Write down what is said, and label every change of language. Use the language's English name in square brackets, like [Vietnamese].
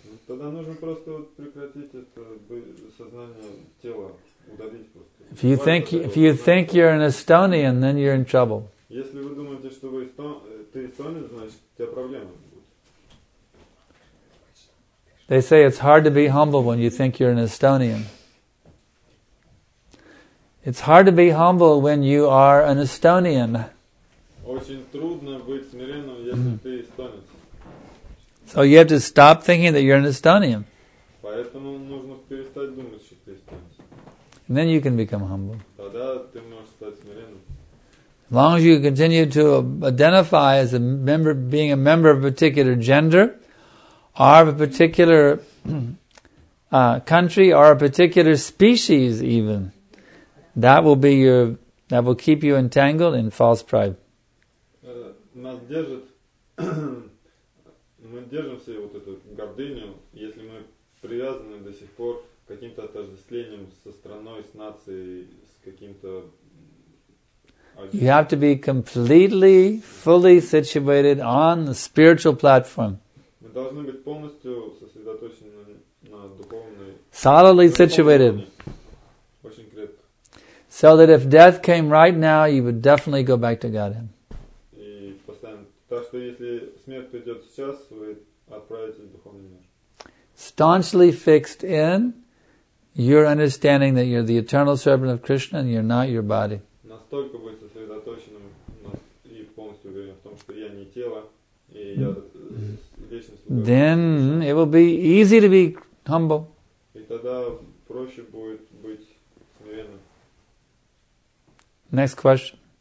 [Russian] Тогда нужно просто прекратить это сознание тела. [English] If you think you're an Estonian, then you're in trouble. [Russian] Если вы думаете, что вы эстонец, значит, у тебя проблемы будут. [English] They say it's hard to be humble when you think you're an Estonian. It's hard to be humble when you are an Estonian. [Russian] Очень трудно быть смиренным, если ты эстонец. [English] So you have to stop thinking that you're an Estonian. [Russian] Поэтому нужно перестать думать, что ты эстонец. [English] And then you can become humble. [Russian] Тогда ты можешь стать смиренным. [English] As long as you continue to identify as a member, being a member of a particular gender, or of a particular country, or a particular species, even, that will keep you entangled in false pride. [Russian] Нас держит, мы держимся вот эту гордыню, если мы привязаны до сих пор. Каким-то отождествлением со страной, с нацией, с каким-то... [English] You have to be completely, fully situated on the spiritual platform. [Russian] Мы должны быть полностью сосредоточены на духовной... [English] Solidly situated. [Russian] Очень крепко. [English] So that if death came right now, you would definitely go back to Godhead. [Russian] И постоянно. Так что если смерть придет сейчас, вы отправитесь в духовный мир. [English] Staunchly fixed in... You're understanding that you're the eternal servant of Krishna and you're not your body. [Russian] Настолько быть сосредоточенным и полностью уверенным в том, что я не тело, и я личность. [English] Then it will be easy to be humble. [Russian] И тогда проще будет быть смиренным. [English] Next question.